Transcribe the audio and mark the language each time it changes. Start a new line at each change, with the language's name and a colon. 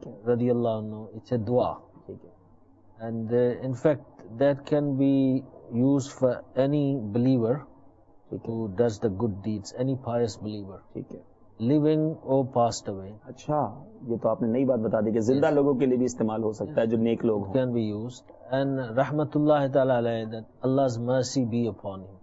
English: Radiyallahu anhu, it's a dua. And in fact, that can be used for any believer who does the good deeds, any pious believer. Living or passed away.
Urdu: اچھا, یہ تو آپ نے نئی بات بتا دی کہ زندہ لوگوں کے لیے بھی استعمال ہو سکتا ہے جو نیک لوگ ہوں.
English: Can be used. And رحمت اللہ تعالیٰ علیہ, that Allah's mercy be upon him.